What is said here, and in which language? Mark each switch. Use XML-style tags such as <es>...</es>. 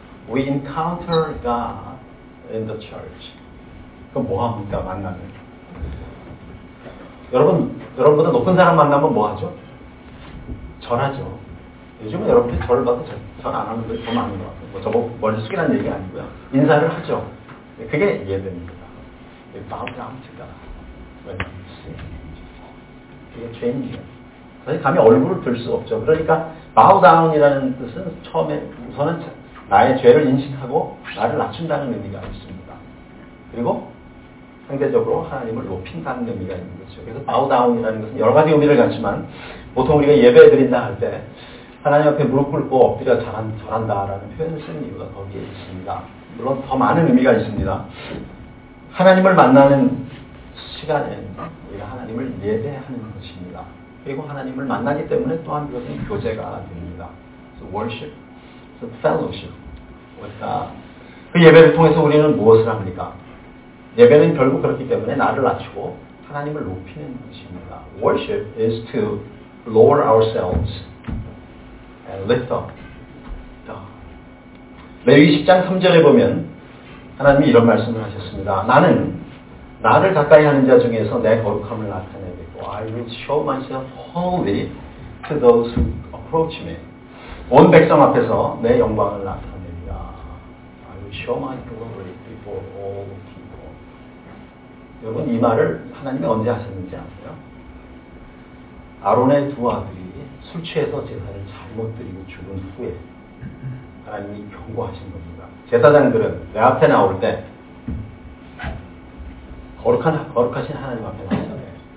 <en>We encounter God in the church. 그럼 뭐합니까? 만나면.</en> <ko>여러분보다 높은 사람 만나면 뭐하죠? 전하죠. 요즘은 여러분들이 저를 봐도 전 안 하는 분들이 더 많은 것 같아요. 뭐 저거 멀리 숙이라는 얘기 아니고요. 인사를 하죠. 그게 예배입니다.</ko> <en>We bow down to God when we sing.</en> <ko>그게 죄인이에요. 사실 감히 얼굴을 들 수 없죠. 그러니까 bow down이라는 뜻은 처음에 우선은 나의 죄를 인식하고 나를 낮춘다는 의미가 있습니다. 그리고 상대적으로 하나님을 높인다는 의미가 있는 거죠. 그래서 bow down이라는 것은 여러 가지 의미를 갖지만 보통 우리가 예배 드린다 할 때 하나님 앞에 무릎 꿇고 엎드려 절한다라는 표현을 쓰는 이유가 거기에 있습니다. 물론 더 많은 의미가 있습니다. 하나님을 만나는 시간에는 우리가 하나님을 예배하는 것입니다. 그리고 하나님을 만나기 때문에 또한 그것은 교제가 됩니다.</ko> <en>So worship, so fellowship with God.</en> <ko>그 예배를 통해서 우리는 무엇을 합니까? 예배는 결국 그렇기 때문에 나를 낮추고 하나님을 높이는 것입니다.</ko> <en>Worship is to lower ourselves and lift up God.</en> <ko>레위기 10장 3절에 보면 하나님이 이런 말씀을 하셨습니다. 나는 나를 가까이 하는 자 중에서 내 거룩함을 나타내겠고 I will show myself holy to those who approach me. 온 백성 앞에서 내 영광을 나타내리라.</ko> <en>I will show my glory before all people.</en> <ko>여러분 이 말을 하나님이 언제 하셨는지 아세요? 아론의 두 아들이 술 취해서 제사를 잘못 드리고 죽은 후에 하나님이 경고하신 겁니다. 제사장들은 내 앞에 나올 때 거룩하신 하나님 앞에 나오잖아요.</ko>